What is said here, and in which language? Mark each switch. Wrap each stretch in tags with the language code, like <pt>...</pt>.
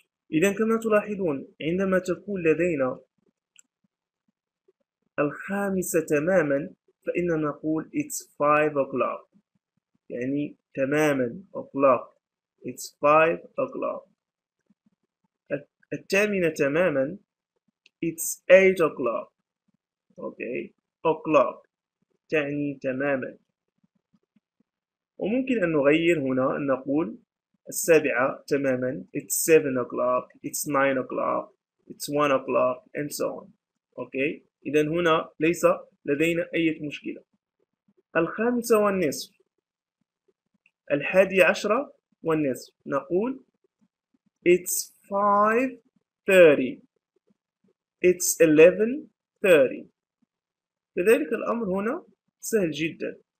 <ar>إذن كما تلاحظون عندما تكون لدينا 5 تماما فإننا نقول</ar> <en>it's 5 o'clock،</en> <ar>يعني تماما o'clock.</ar> <en>It's 5 o'clock. 8</en> <ar>تماما</ar> <en>it's 8 o'clock. Okay.</en> <ar>O'clock تعني تماما. وممكن أن نغير هنا أن نقول 7 تماما</ar> <en>it's 7 o'clock, it's 9 o'clock, it's 1 o'clock and so on. Okay.</en> <ar>إذن هنا ليس لدينا أي مشكلة.</ar> <en>5:30. 11:30</en> <ar>نقول</ar> <en>it's 5:30. It's 11:30.</en> <ar>لذلك الأمر هنا سهل جدا.</ar>